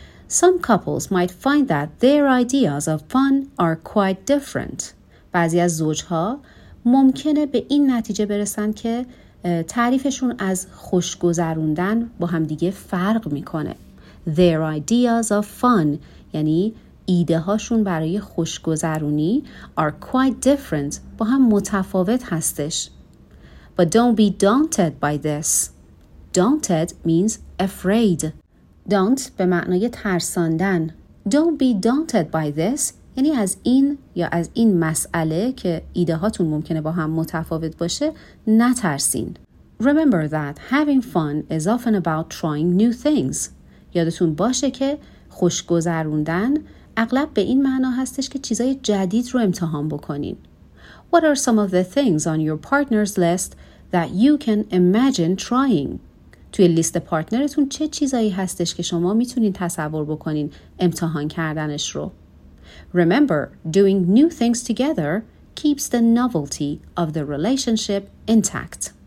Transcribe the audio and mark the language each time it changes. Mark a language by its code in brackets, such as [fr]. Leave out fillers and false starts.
[en] Some couples might find that their ideas of fun are quite different. [fa] بعضی از زوجها ممکنه به این نتیجه برسن که تعریفشون از خوشگذروندن با همدیگه فرق میکنه. [en] Their ideas of fun [fa] یعنی ایده هاشون برای خوشگذرونی [en] are quite different [fa] با هم متفاوت هستش. [en] But don't be daunted by this. Daunted means afraid. [fa] Daunt به معنای ترساندن. [en] Don't be daunted by this [fa] یعنی از این یا از این مسئله که ایده هاتون ممکنه با هم متفاوت باشه نترسین. [en] Remember that having fun is often about trying new things. [fa] یادتون باشه که خوشگذروندن اغلب به این معنا هستش که چیزای جدید رو امتحان بکنین. [en] What are some of the things on your partner's list that you can imagine trying؟ [fa] توی لیست پارتنرتون چه چیزایی هستش که شما میتونین تصور بکنین امتحان کردنش رو؟ [en] Remember, doing new things together keeps the novelty of the relationship intact.